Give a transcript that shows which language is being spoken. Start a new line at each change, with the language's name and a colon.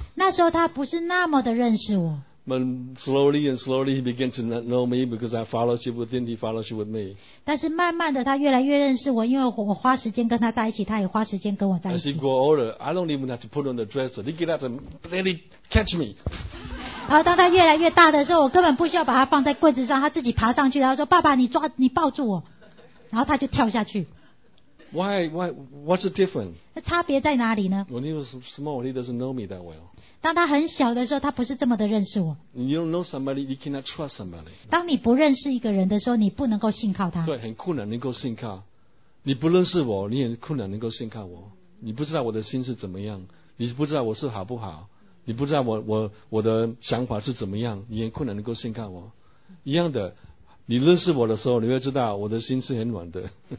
Chinese: 那时候他不是那么的认识我。
English: But slowly and slowly he began to not know me because I fellowship with him, he fellowship with me.
Chinese: 但是慢慢的他越来越认识我，因为我花时间跟他在一起，他也花时间跟我在一起。
English: As he grow older, I don't even have to put on the dresser. They get up and really catch me.
Chinese: 然后当他越来越大的时候，我根本不需要把他放在柜子上，他自己爬上去，然后说：“爸爸，你抱住我。” 然后他就跳下去。
English: Why? What's the difference?
Chinese: 那差别在哪里呢？
English: When he was small, he doesn't know me that well.
Chinese: 当他很小的时候，他不是这么的认识我。
English: You don't know somebody, you cannot trust somebody.
Chinese: 当你不认识一个人的时候，你不能够信靠他。对，很困难能够信靠。你不认识我，你很困难能够信靠我。你不知道我的心是怎么样，你不知道我是好不好，你不知道我的想法是怎么样，你很困难能够信靠我。一样的，你认识我的时候，你会知道我的心是很软的。